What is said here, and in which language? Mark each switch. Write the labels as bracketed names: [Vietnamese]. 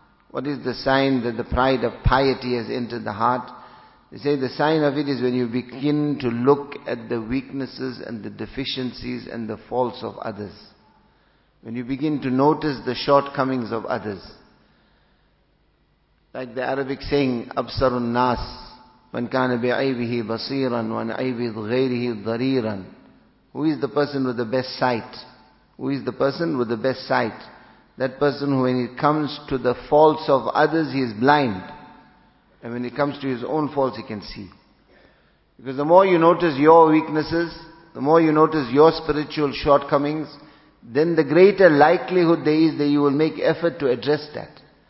[English] What is the sign that the pride of piety has entered the heart? They say the sign of it is when you begin to look at the weaknesses and the deficiencies and the faults of others. When you begin to notice the shortcomings of others. Like the Arabic saying, absarun nas. [Arabic] من كان بعيبه بصيرا وان عيب غيره ضريرا. [English] Who is the person with the best sight? Who is the person with the best sight? That person who, when it comes to the faults of others, he is blind. And when it comes to his own faults, he can see. Because the more you notice your weaknesses, the more you notice your spiritual shortcomings, then the greater likelihood there is that you will make effort to address that.